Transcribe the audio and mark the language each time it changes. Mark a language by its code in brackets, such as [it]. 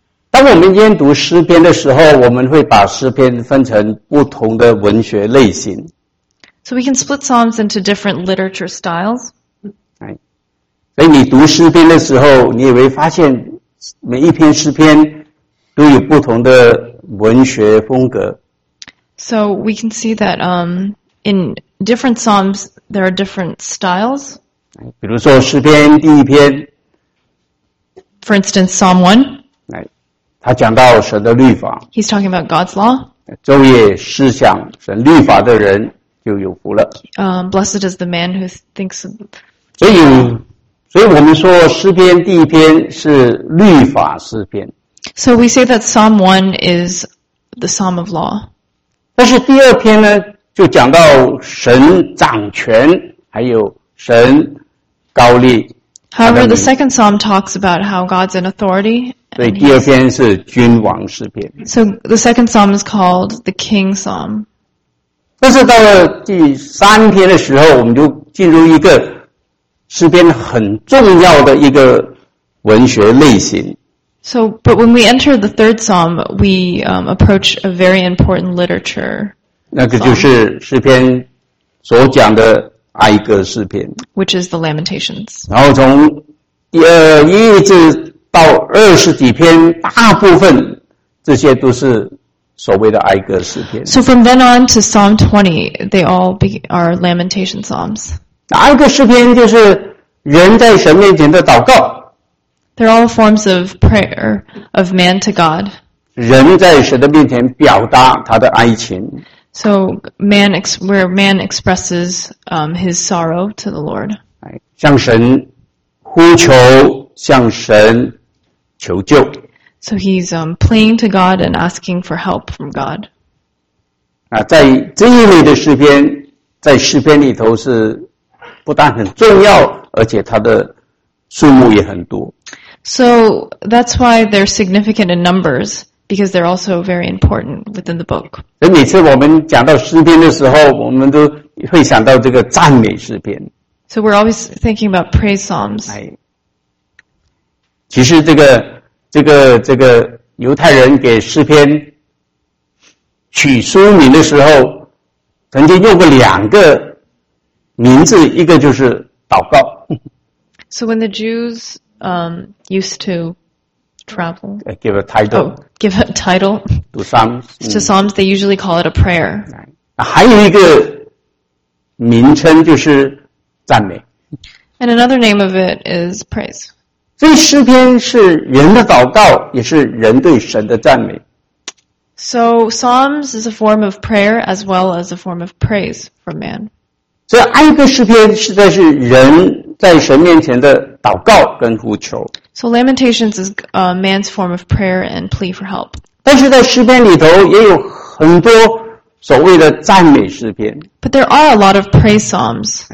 [zh] 当我们研读诗篇的时候，我们会把诗篇分成不同的文学类型。 [en] So we can split Psalms into different literature styles. [zh] 所以你读诗篇的时候，你也会发现每一篇诗篇都有不同的文学风格。 [en] So we can see that in different psalms there are different styles. [zh] 比如说诗篇第一篇。 [en] For instance, Psalm 1. [zh] 他讲到神的律法。 [en] He's talking about God's law. [zh] 昼夜思想神律法的人就有福了。 [en] Blessed is the man who thinks of. [zh] 所以我们说诗篇第一篇是律法诗篇。 [en] So we say that Psalm 1 is the Psalm of Law. [zh] 但是第二篇呢，就讲到神掌权，还有神高立。 [en] However, the second Psalm talks about how God's in authority. [zh] 所以第二篇是君王诗篇。 [en] So the second Psalm is called the King Psalm. [zh] 但是到了第三篇的时候，我们就进入一个诗篇很重要的一个文学类型。 [en] So, but when we enter the third psalm, we approach a very important literature. [zh] 那个就是诗篇所讲的哀歌诗篇。 [en] Which is the Lamentations. [zh] 然后从第二一至到二十几篇，大部分这些都是所谓的哀歌诗篇。 [en] So from then on to Psalm 20, they all are Lamentation psalms. [zh] 哀歌诗篇就是人在神面前的祷告。 [en] They're all forms of prayer of man to God. [zh] 人在神的面前表达他的哀情。 [en] So man where man expresses his sorrow to the Lord. [zh] 向神呼求，向神求救。 [en] So he's praying to God and asking for help from God. [zh] 在这一类的诗篇，在诗篇里头是不但很重要，而且它的数目也很多。 [en] So that's why they're significant in numbers, because they're also very important within the book. [zh] 每次我们讲到诗篇的时候，我们都会想到这个赞美诗篇。 [en] So we're always thinking about praise psalms. [zh] 哎，其实这个犹太人给诗篇取书名的时候，曾经用过两个名字，一个就是祷告。 [en] So when the Jews used to travel, give a title. Oh, give a title to Psalms. To Psalms, they usually call it a prayer. [zh] 还有一个名称就是赞美。 [en] And another name of it is praise. [zh] 所以诗篇是人的祷告，也是人对神的赞美。 [en] So Psalms is a form of prayer as well as a form of praise for man. [zh] 所以哀歌诗篇实在是人在神面前的祷告跟呼求。 [en] So Lamentations is a man's form of prayer and plea for help. [zh] 但是在诗篇里头也有很多所谓的赞美诗篇。 [en] But there are a lot of praise psalms.